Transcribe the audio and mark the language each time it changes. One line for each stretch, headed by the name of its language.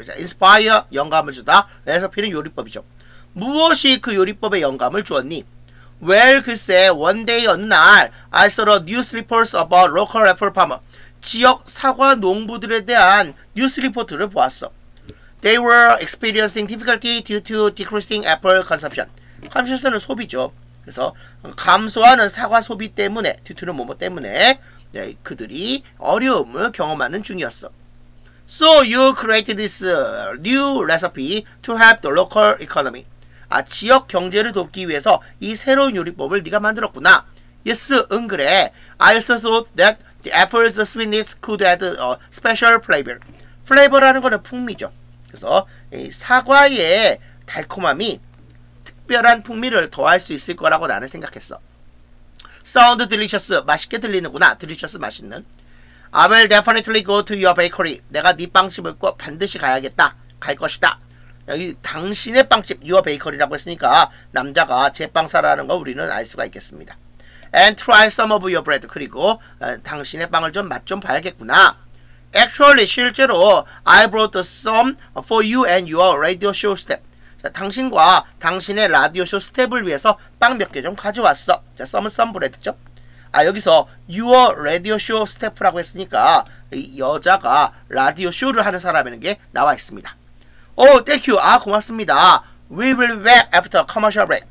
Korean: 자, inspire, 영감을 주다. Recipe는 요리법이죠. 무엇이 그 요리법에 영감을 주었니?
English: Well,
Korean: 글쎄,
English: one day,
Korean: 어느 날,
English: I saw a news report about local apple farmer.
Korean: 지역 사과 농부들에 대한 뉴스 리포트를 보았어.
English: They were experiencing difficulty due to decreasing apple consumption.
Korean: Consumption은 소비죠. 그래서 감소하는 사과 소비 때문에, due to는 뭐뭐 때문에 네, 그들이 어려움을 경험하는 중이었어.
English: So you created this new recipe to help the local economy.
Korean: 아, 지역 경제를 돕기 위해서 이 새로운 요리법을 네가 만들었구나.
English: Yes,
Korean: 응, 그래.
English: I also thought that the apple's sweetness could add a special flavor.
Korean: Flavor라는 거는 풍미죠. 그래서 이 사과의 달콤함이 특별한 풍미를 더할 수 있을 거라고 나는 생각했어.
English: Sound delicious.
Korean: 맛있게 들리는구나.
English: Delicious,
Korean: 맛있는.
English: I will definitely go to your bakery.
Korean: 내가 네 빵집을 꼭 반드시 가야겠다. 갈 것이다. 여기 당신의 빵집, your bakery라고 했으니까 남자가 제빵사라는 거 우리는 알 수가 있겠습니다.
English: And try some of your bread.
Korean: 그리고 당신의 빵을 좀 맛 좀 봐야겠구나.
English: Actually,
Korean: 실제로
English: I brought some for you and your radio show staff.
Korean: 자, 당신과 당신의 라디오 쇼 스텝을 위해서 빵 몇 개 좀 가져왔어. 자, some, some bread죠. 아, 여기서 your radio show staff라고 했으니까 이 여자가 라디오 쇼를 하는 사람이라는 게 나와 있습니다.
English: Oh, thank you.
Korean: 아, 고맙습니다.
English: We will be back after commercial break.